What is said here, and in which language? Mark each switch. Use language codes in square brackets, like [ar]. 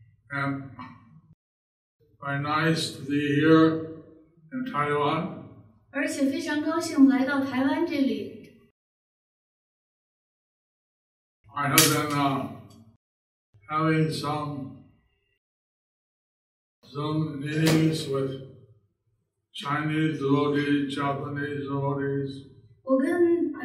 [en] And very nice to be here in Taiwan. [zh] 而且非常高兴来到台湾这里。 [en] I have been having some Zoom meetings with Chinese devotees, Japanese devotees.